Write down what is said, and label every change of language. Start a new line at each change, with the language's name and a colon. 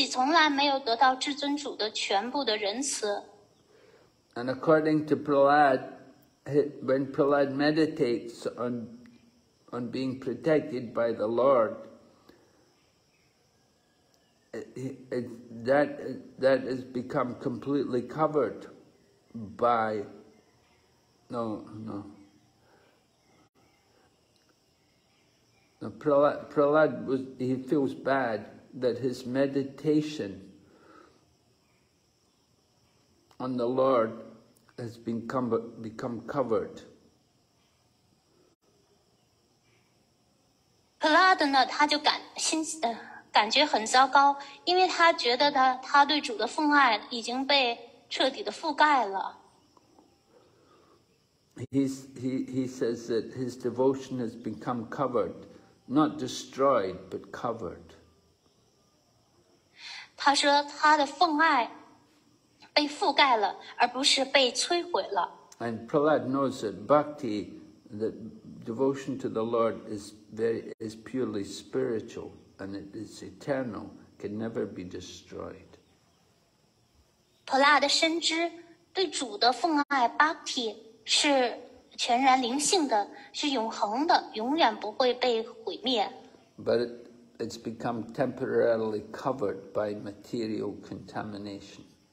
Chinese: 他也就是，意思就是说，他自己从来没有得到至尊主的全部的仁慈。
English: And according to Prahlad, when Prahlad meditates on being protected by the Lord, that has become completely covered by Prahlad was he feels bad that his meditation on the Lord has become covered.
Chinese: Prahlad 感觉很糟糕，因为他觉得他对主的奉爱已经被彻底的覆盖了。
English: He says that his devotion has become covered, not destroyed, but covered.
Chinese: 他说他的奉爱被覆盖了，而不是被摧毁了。
English: And Prahlad knows that bhakti, that devotion to the Lord is purely spiritual. And it is eternal, can never be destroyed. But it's become temporarily covered by material contamination.